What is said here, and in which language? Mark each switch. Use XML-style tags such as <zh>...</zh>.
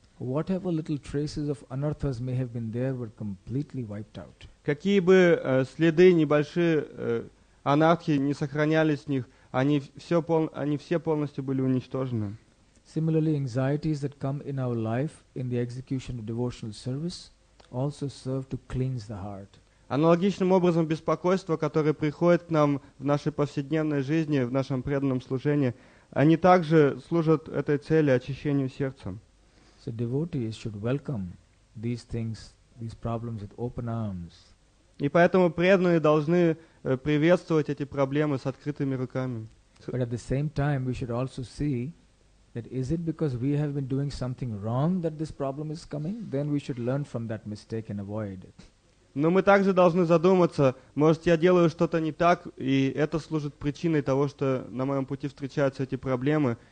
<en>Whatever little traces of anarthas may have been there were completely wiped out.</en> <ru>Какие бы следы небольшие анархии не сохранялись в них, они все полностью были уничтожены.</ru> <en>Similarly, anxieties that come in our life in the execution of devotional service also serve to cleanse the heart.</en> <ru>Аналогичным образом беспокойства, которые приходят к нам в нашей повседневной жизни, в нашем преданном служении, они также служат этой цели, очищению сердца.</ru> <en>So devotees should welcome these things, these problems with open arms.</en> <ru>И поэтому преданные должны приветствовать эти проблемы с открытыми руками.</ru> <en>But at the same time, we should also see that is it because we have been doing something wrong that this problem is coming? Then we should learn from that mistake and avoid it.</en> <ru>Но мы также должны задуматься, может, я делаю что-то не так, и это служит причиной того, что на моем пути встречаются эти проблемы.</ru>